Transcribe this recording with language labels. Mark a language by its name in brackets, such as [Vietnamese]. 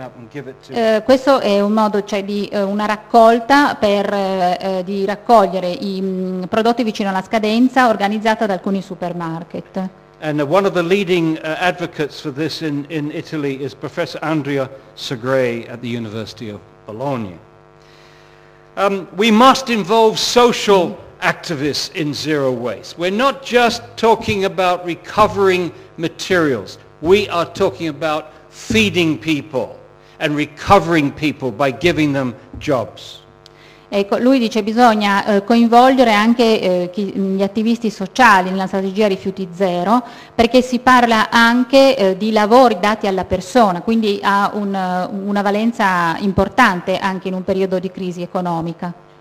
[Italian] Questo è un modo, cioè, di una raccolta per di raccogliere i prodotti vicino alla scadenza organizzata da alcuni supermarket. [English] And one of the leading advocates for this in Italy is Professor Andrea Segrè at the University of Bologna. We must involve social activists in zero waste. We're not just talking about recovering materials. We are talking about feeding people and recovering people by giving them jobs. [Italian] Ecco, lui dice bisogna coinvolgere anche gli attivisti sociali nella strategia rifiuti zero, perché si parla anche di lavori dati alla persona, quindi ha una valenza importante anche in un periodo di crisi economica.